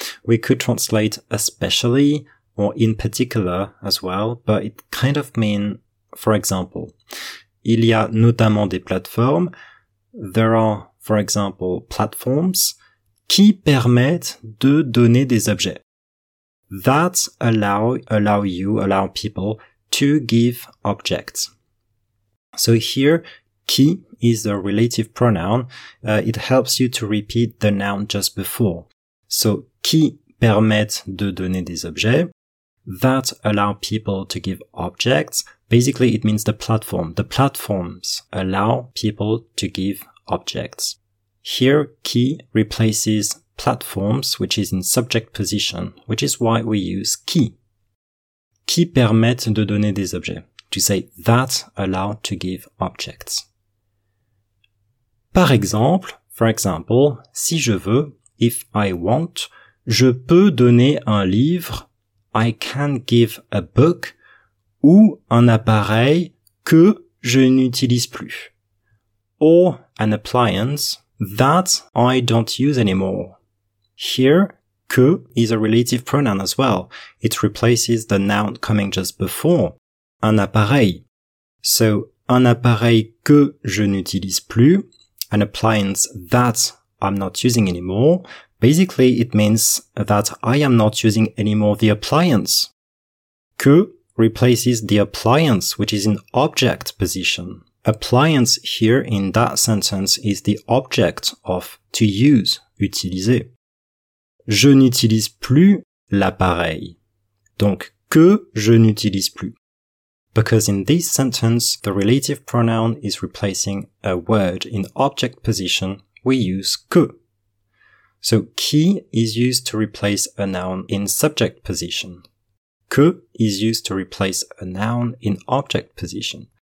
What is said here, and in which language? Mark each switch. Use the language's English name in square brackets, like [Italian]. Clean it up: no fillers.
[English] We could translate especially or in particular as well, but it kind of means for example, [French] il y a notamment des plateformes, [English] there are, for example, platforms, [French] qui permettent de donner des objets. [English] That allow people to give objects. So here, qui is the relative pronoun. It helps you to repeat the noun just before. [French] So, qui permettent de donner des objets. [English] That allow people to give objects. Basically, it means the platform. The platforms allow people to give objects. Here, qui replaces platforms, which is in subject position, which is why we use qui. [French] Qui permettent de donner des objets. [English] To say that allow to give objects. [French] Par exemple, [English] for example, [French] si je veux, [English] if I want, [French] je peux donner un livre, [English] I can give a book, [French] ou un appareil que je n'utilise plus. [English] Or an appliance that I don't use anymore. Here, que is a relative pronoun as well. It replaces the noun coming just before, un appareil. So, [French] un appareil que je n'utilise plus, [English] an appliance that I'm not using anymore. Basically, it means that I am not using anymore the appliance. Que replaces the appliance, which is in object position. Appliance here in that sentence is the object of to use, utiliser. [French] Je n'utilise plus l'appareil. Donc, que je n'utilise plus. [English] Because in this sentence, the relative pronoun is replacing a word in object position, we use que. So, qui is used to replace a noun in subject position. Que is used to replace a noun in object position.